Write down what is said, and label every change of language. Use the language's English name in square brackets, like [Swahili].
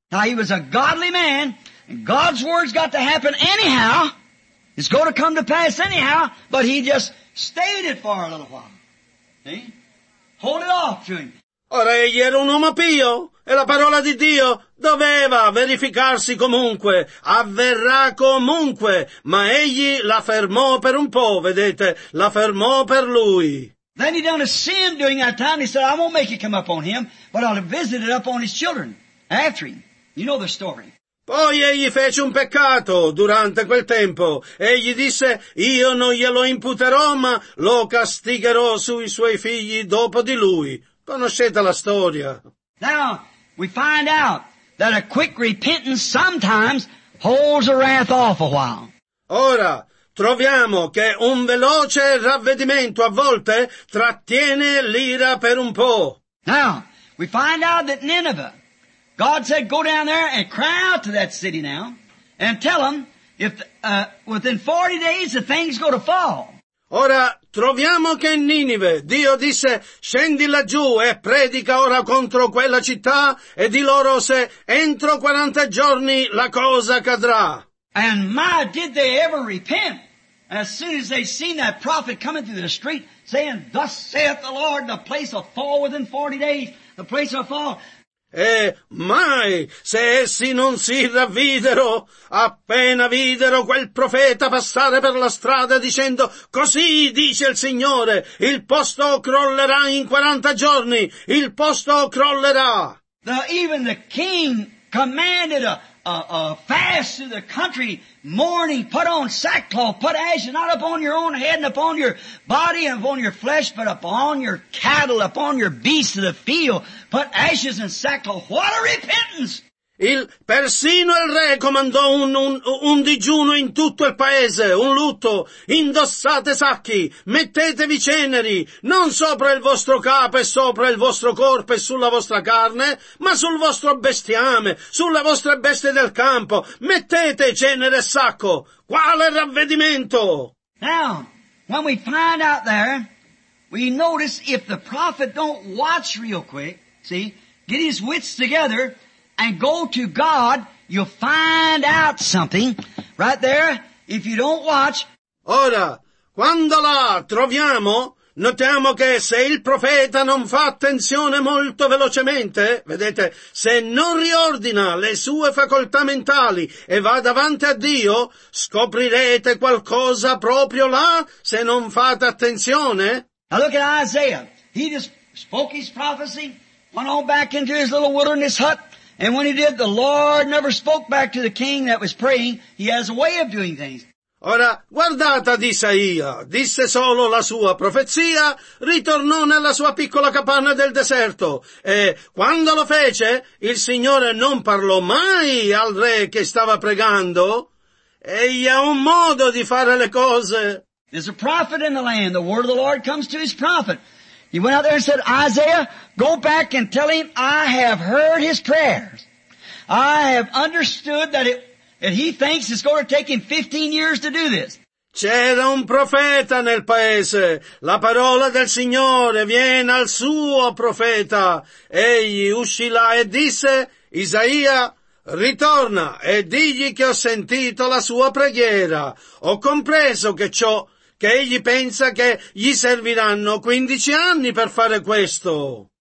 [English] Now he was a godly man, God's word's got to happen anyhow. It's going to come to pass anyhow, but he just stayed it for a little while. See? Hold it off to him. [Italian] Ora, egli era un uomo pio, e la parola di Dio doveva verificarsi comunque, avverrà comunque, ma egli la fermò per un po', vedete, la fermò per lui. [English] Then he done a sin during that time, he said, I won't make it come up on him, but I'll visit it up on his children, after him. You know the story. [Italian] Poi egli fece un peccato durante quel tempo. Egli disse, io non glielo imputerò, ma lo castigherò sui suoi figli dopo di lui. Conoscete la storia. [English] Now, we find out that a quick repentance sometimes holds the wrath off a while. [Italian] Ora, troviamo che un veloce ravvedimento a volte trattiene l'ira per un po'. [English] Now, we find out that Nineveh, God said, go down there and cry out to that city now and tell them if within 40 days the things go to fall. [Italian] Ora, troviamo che in Ninive Dio disse, scendi laggiù e predica ora contro quella città e di loro se entro 40 giorni la cosa cadrà. [English] And my, did they ever repent as soon as they seen that prophet coming through the street saying, thus saith the Lord, the place will fall within 40 days, the place will fall. [Italian] E mai se essi non si ravvidero, appena videro quel profeta passare per la strada dicendo, così dice il Signore, il posto crollerà in 40 giorni, il posto crollerà. [English] Even the king commanded a fast through the country, mourning, put on sackcloth, put ashes not upon your own head and upon your body and upon your flesh, but upon your cattle, upon your beasts of the field, put ashes and sackcloth. What a repentance! [Italian] Persino il re comandò un digiuno in tutto il paese, un lutto. Indossate sacchi, mettetevi ceneri, non sopra il vostro capo e sopra il vostro corpo e sulla vostra carne, ma sul vostro bestiame, sulla vostra bestia del campo. Mettete cenere e sacco. Quale ravvedimento! [English] Now, when we find out there, we notice if the prophet don't watch real quick, see, get his wits together, and go to God, you'll find out something right there if you don't watch. [Italian] Ora, quando la troviamo, notiamo che se il profeta non fa attenzione molto velocemente, vedete, se non riordina le sue facoltà mentali e va davanti a Dio, scoprirete qualcosa proprio là se non fate attenzione. [English] Now look at Isaiah. He just spoke his prophecy, went on back into his little wilderness hut. And when he did, the Lord never spoke back to the king that was praying. He has a way of doing things. [Italian] Ora, guardate ad Isaia. Disse solo la sua profezia, ritornò nella sua piccola capanna del deserto. E quando lo fece, il Signore non parlò mai al re che stava pregando. Egli ha un modo di fare le cose. [English] There's a prophet in the land. The word of the Lord comes to his prophet. He went out there and said, Isaiah, go back and tell him I have heard his prayers. I have understood that that he thinks it's going to take him 15 years to do this. [Italian] C'era un profeta nel paese. La parola del Signore viene al suo profeta. Egli uscì là e disse, Isaia, ritorna e digli che ho sentito la sua preghiera. Ho compreso che ciò che egli pensa che gli serviranno 15 anni per fare questo.